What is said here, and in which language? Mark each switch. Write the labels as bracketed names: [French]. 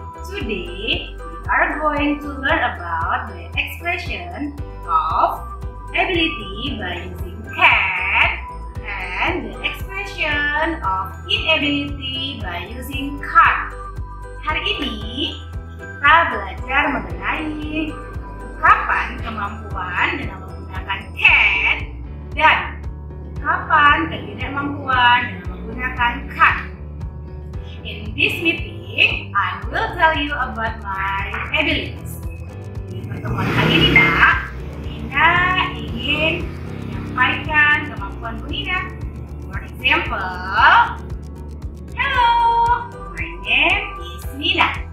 [English] Today, we are going to learn about the expression of ability by using can and the expression of inability by using can't. [Indonesian] Hari ini, kita belajar mengenai kapan kemampuan dengan menggunakan can dan kapan ketidakmampuan dengan menggunakan can. [English] In this meeting, I will tell you about my abilities. [Indonesian] Di pertemuan kali ini, Nak, Nina ingin menyampaikan kemampuan Bu Nina. [English] For example, hello, my name is Nina.